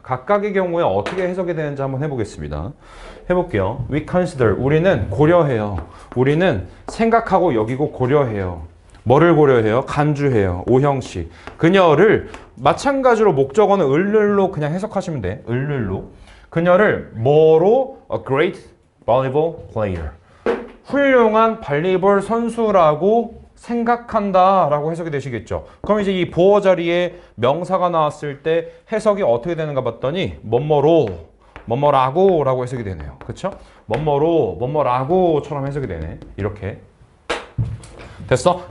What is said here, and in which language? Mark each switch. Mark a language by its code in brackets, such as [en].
[ko] 각각의 경우에 어떻게 해석이 되는지 한번 해보겠습니다. 해볼게요. [en] We consider. [ko] 우리는 고려해요. 우리는 생각하고 여기고 고려해요. 뭐를 고려해요? 간주해요. 5형식. 그녀를 마찬가지로 목적어는 을룰로 그냥 해석하시면 돼. 을룰로. 그녀를 뭐로? [en] A great volleyball player. [ko] 훌륭한 발리볼 선수라고 생각한다 라고 해석이 되시겠죠. 그럼 이제 이 보어 자리에 명사가 나왔을 때 해석이 어떻게 되는가 봤더니 뭐뭐로, 뭐뭐라고 라고 해석이 되네요. 그쵸? 뭐뭐로, 뭐뭐라고 처럼 해석이 되네. 이렇게. 됐어?